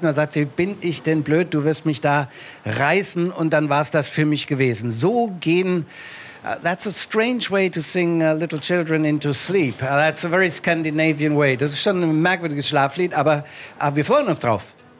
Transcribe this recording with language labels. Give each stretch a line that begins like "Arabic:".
German: Und er sagt, bin ich denn blöd, du wirst mich da reißen, und dann war es das für mich gewesen. So gehen...
English: That's a strange way to sing little children into sleep. That's a very Scandinavian way.
German: Das ist schon ein merkwürdiges Schlaflied, aber wir freuen uns drauf.